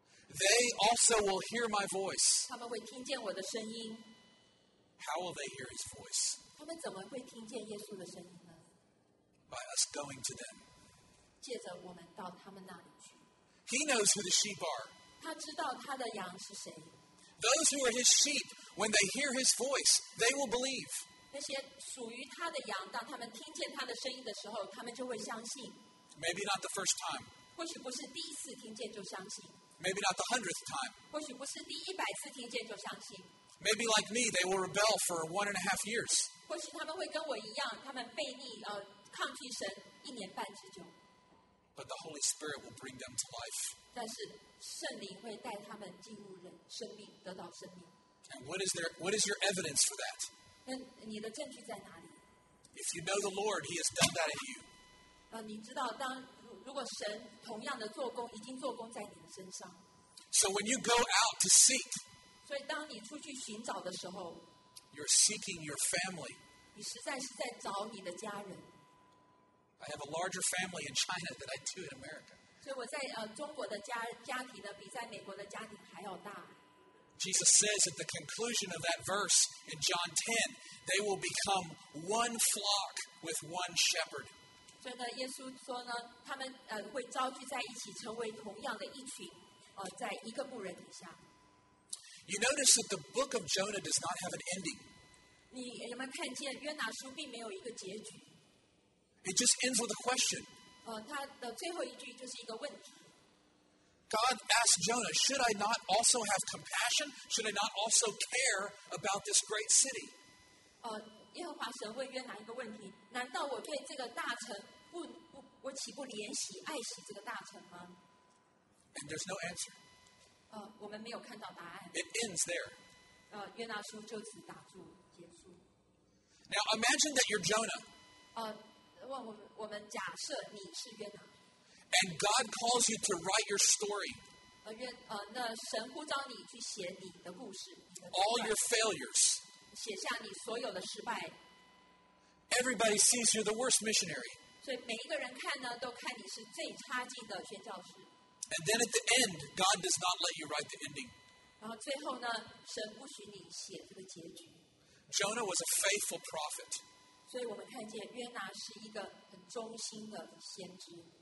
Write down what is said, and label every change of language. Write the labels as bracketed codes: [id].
[en] They also will hear my voice. [zh] 他们会听见我的声音。 [en] How will they hear his voice? [zh] 他们怎么会听见耶稣的声音呢？ [en] By us going to them. [zh] 借着我们到他们那里去。 [en] He knows who the sheep are. [zh] 他知道他的羊是谁。 [en] Those who are his sheep, when they hear his voice, they will believe. [zh] 那些属于他的羊，当他们听见他的声音的时候，他们就会相信。 [en] Maybe not the first time. [zh] 或许不是第一次听见就相信。 [en] Maybe not the 100th time. [zh] 或许不是第一百次听见就相信。 [en] Maybe like me, they will rebel for 1.5 years. [zh] 或许他们会跟我一样，他们背逆抗拒神一年半之久。 [en] But the Holy Spirit will bring them to life. [zh] 但是圣灵会带他们进入人生命，得到生命。 [en] And what is your evidence for that? [zh] 那你的证据在哪里？ [en] If you know the Lord, he has done that in you. [zh] 你知道当如果神同样的做工已经做工在你的身上。 [en] So when you go out to seek, [zh] 所以当你出去寻找的时候 [en] you're seeking your family. [zh] 你实在是在找你的家人。 [en] I have a larger family in China than I do in America. [zh] 所以我在中国的家庭呢比在美国的家庭还要大。 [en] Jesus says at the conclusion of that verse in John 10, they will become one flock with one shepherd. [zh] 所以呢耶稣说呢他们会召聚在一起成为同样的一群在一个牧人底下。 [en] You notice that the book of Jonah does not have an ending. [zh] 你有没有看见约拿书并没有一个结局。 [en] It just ends with a question. [zh] 他的最后一句就是一个问题。 [en] God asked Jonah, should I not also have compassion? Should I not also care about this great city? [zh] 耶和华神问约拿一个问题，难道我对这个大城我岂不怜惜爱惜这个大城吗？ [en] And there's no answer. [zh] 我们没有看到答案。 [en] It ends there. [zh] 约拿书就此打住结束。 [en] Now imagine that you're Jonah. [zh] 我们假设你是约拿。 [en] And God calls you to write your story. [zh] 那神呼召你去写你的故事。 [en] All your failures. [zh] 写下你所有的失败。 [en] Everybody sees you're the worst missionary. [zh] 所以每一个人看呢，都看你是最差劲的宣教士。 [en] And then at the end, God does not let you write the ending. [zh] 然后最后呢，神不许你写这个结局。 [en] Jonah was a faithful prophet. [zh] 所以我们看见约拿是一个很忠心的先知。